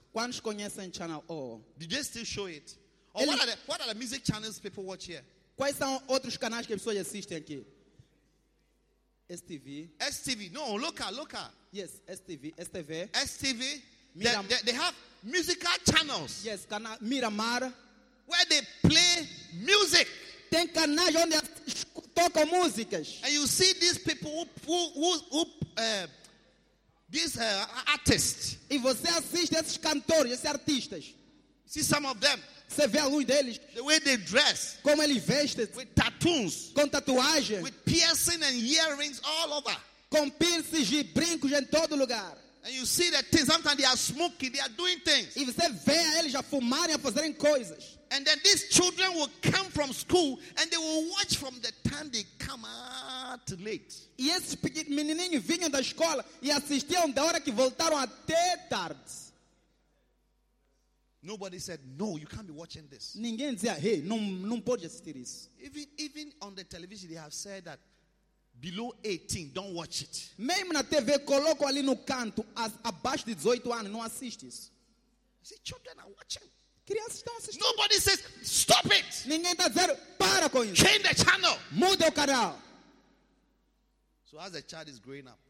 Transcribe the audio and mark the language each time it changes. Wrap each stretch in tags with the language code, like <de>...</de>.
<pt>Quantos conhecem Channel O?</pt> <en>Did they still show it? Or what are the music channels people watch here?</en> <pt>Quais são outros canais que as pessoas assistem aqui?</pt> <en>STV. STV. No, local. Yes, STV. STV. STV. They have musical channels. Yes, canal Miramar. Where they play music.</en> <pt>Tem canais onde tocam músicas.</pt> <en>And you see these people who these artists.</en> <pt>E você assiste esses cantores, esses artistas.</pt> <en>See some of them.</en> <pt>Você vê alguns deles.</pt> <en>The way they dress.</en> <pt>Como eles vestem.</pt> <en>With tattoos.</en> <pt>Com tatuagem.</pt> <en>With piercing and earrings all over.</en> <pt>Com piercings e brincos em todo lugar.</pt> <en>And you see that things. Sometimes they are smoking, they are doing things.</en> <pt>E você vê eles a fumarem, a fazerem coisas.</pt> <en>And then these children will come from school and they will watch from the time they come out late.</en> <pt>E esses menininhos vinham da escola e assistiam da hora que voltaram até tarde.</pt> <en>Nobody said, no, you can't be watching this.</en> <pt>Ninguém dizia, hey, não pode assistir isso.</pt> <en>Even on the television, they have said that below 18, don't watch it.</en> <pt>Mesmo na TV, coloco ali no canto, abaixo de 18 anos, não assiste isso.</pt> <en>See, children are watching.</en> <pt>Crianças estão assistindo.</pt> <en>Nobody says, stop it.</en> <pt>Ninguém está dizendo, para com isso.</pt> <en>Change the channel.</en> <pt>Mude o canal.</pt> <en>So as a child is growing up,</en>